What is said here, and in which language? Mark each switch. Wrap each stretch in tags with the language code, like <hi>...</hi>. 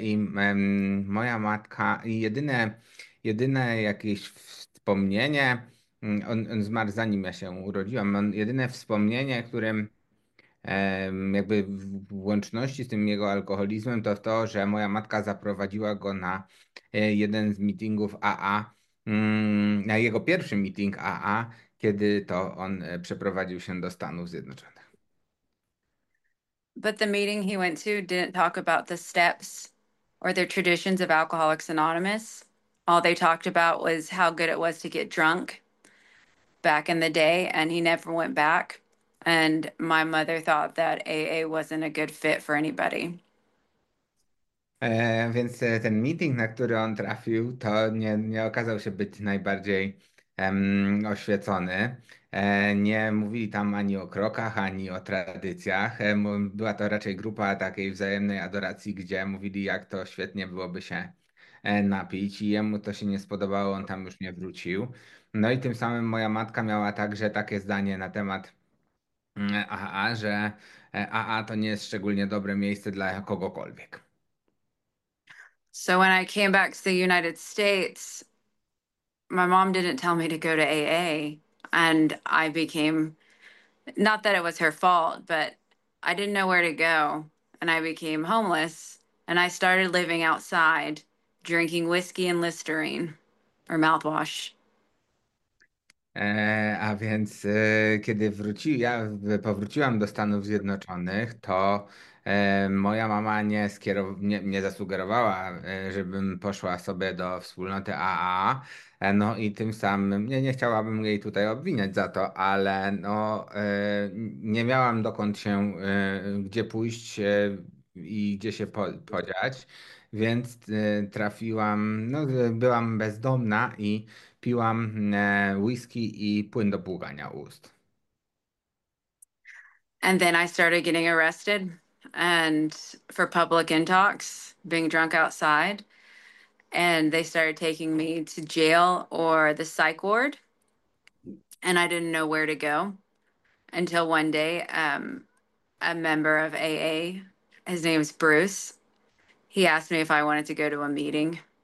<pl>I moja matka, jedyne jakieś wspomnienie, on zmarł zanim ja się urodziłam, jedyne wspomnienie, którym jakby w łączności z tym jego alkoholizmem, to, że moja matka zaprowadziła go na jeden z meetingów AA, na jego pierwszy meeting AA, kiedy to on przeprowadził się do Stanów Zjednoczonych.</pl> <en>But the meeting he went to didn't talk about the steps or the traditions of Alcoholics Anonymous. All they talked about was how good it was to get drunk back in the day, and he never went back. And my mother thought that AA wasn't a good fit for anybody.</en> <pl>Więc ten meeting, na który on trafił, to nie okazał się być najbardziej oświecony. Nie mówili tam ani o krokach, ani o tradycjach. Była to raczej grupa takiej wzajemnej adoracji, gdzie mówili, jak to świetnie byłoby się napić, i jemu to się nie spodobało, on tam już nie wrócił. No i tym samym moja matka miała także takie zdanie na temat AA, że AA to nie jest szczególnie dobre miejsce dla kogokolwiek.</pl> <en>So when I came back to the United States, my mom didn't tell me to go to AA, and I became, not that it was her fault, but I didn't know where to go, and I became homeless, and I started living outside, drinking whiskey and Listerine or mouthwash.</en> <pl>A więc kiedy powróciłam do Stanów Zjednoczonych, to moja mama nie zasugerowała, żebym poszła sobie do wspólnoty AA. No i tym samym nie chciałabym jej tutaj obwiniać za to, ale no, nie miałam dokąd się, gdzie pójść i gdzie się podziać. Więc trafiłam, no, byłam bezdomna i piłam whisky i płyn do bługania ust.</pl> <en>And then I started getting arrested and for public intox, being drunk outside. And they started taking me to jail or the psych ward. And I didn't know where to go. until one day a member of AA, his name's Bruce, he asked me if I wanted to go to a meeting.</en>